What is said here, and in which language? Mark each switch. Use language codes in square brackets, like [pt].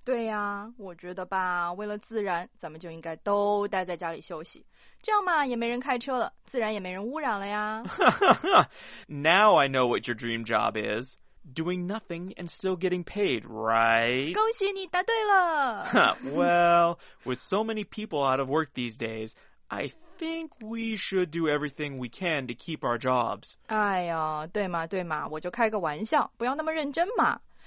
[zh] 对呀、啊，我觉得吧，为了自然，咱们就应该都待在家里休息。这样嘛，也没人开车了，自然也没人污染了呀。 [en] Now I know what your dream job is. Doing nothing and still getting paid, right? [zh] 恭喜你答对了。 [en] Well, with so many people out of work these days, I think we should do everything we can to keep our jobs. [zh] 哎呀，对嘛对嘛，我就开个玩笑，不要那么认真嘛。